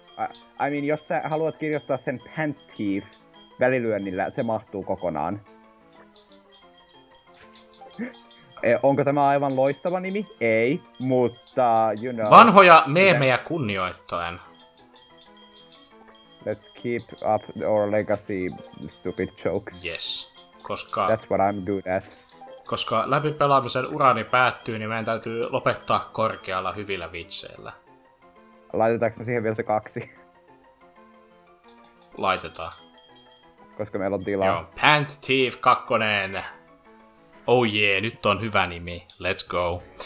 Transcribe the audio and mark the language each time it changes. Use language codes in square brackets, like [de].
[en] I mean, [fi] jos sä haluat kirjoittaa sen Pant Thief välilyönnillä, se mahtuu kokonaan. Onko tämä aivan loistava nimi? Ei, mutta [en] you know... [fi] Vanhoja meemejä kunnioittaen. [en] Let's keep up our legacy stupid jokes. Yes. Koska, that's what I'm good at. [fi] Koska läpi pelaamisen urani päättyy, niin meidän täytyy lopettaa korkealla hyvillä vitseillä. Laitetaanko siihen vielä se 2? Laitetaan. Koska meillä on tilaa. Joo, Pant Thief 2. Oh jee, nyt on hyvä nimi. [en] Let's go.